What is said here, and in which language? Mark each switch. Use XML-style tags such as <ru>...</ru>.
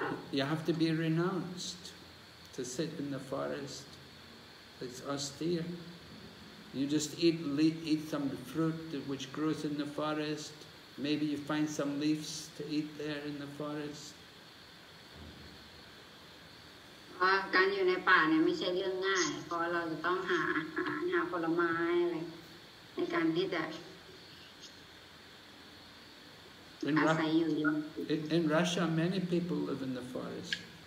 <en>You have to be renounced to sit in the forest. It's austere. You just eat some fruit which grows in the forest. Maybe you find some leaves to eat there in the forest.</en> <th>เพราะการอยู่ในป่าเนี่ยไม่ใช่เรื่องง่ายเพราะเราจะต้องหาอาหารหาผลไม้อะไรในการที่จะอาศัยอยู่</th> <en>In Russia, many people live in the forest.</en>